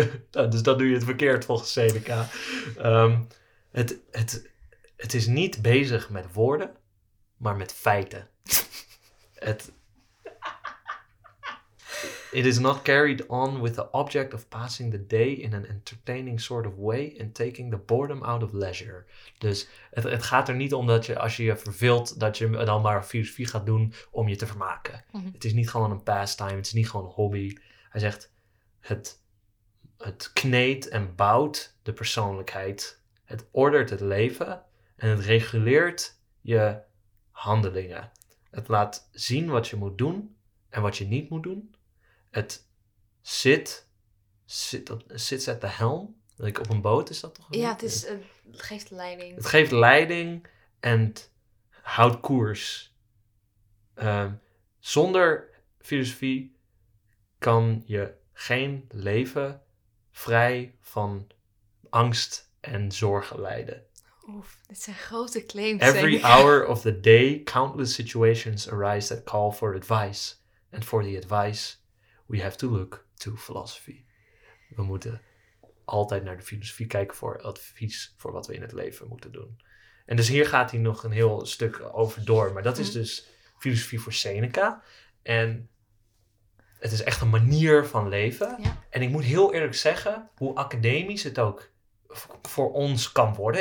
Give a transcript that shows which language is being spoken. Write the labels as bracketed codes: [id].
[nl] Dus dan doe je het verkeerd volgens Seneca. Het is niet bezig met woorden, maar met feiten. [en] It is not carried on with the object of passing the day in an entertaining sort of way and taking the boredom out of leisure. [nl] Dus het gaat er niet om dat je, als je je verveelt, dat je dan maar filosofie gaat doen om je te vermaken. Mm-hmm. Het is niet gewoon een pastime, het is niet gewoon een hobby. Hij zegt, het kneedt en bouwt de persoonlijkheid. Het ordert het leven en het reguleert je handelingen. Het laat zien wat je moet doen en wat je niet moet doen. [en] Het sits at the helm. [nl] Like op een boot is dat toch? Ja, het is, geeft leiding. Het geeft leiding en houdt koers. Zonder filosofie kan je geen leven vrij van angst en zorgen leiden. Oef, dit zijn grote claims. [en] Every hour of the day, countless situations arise that call for advice. And for the advice, we have to look to philosophy. [nl] We moeten altijd naar de filosofie kijken voor advies voor wat we in het leven moeten doen. En dus hier gaat hij nog een heel stuk over door. Maar dat is dus filosofie voor Seneca. En het is echt een manier van leven. Ja. En ik moet heel eerlijk zeggen, hoe academisch het ook voor ons kan worden.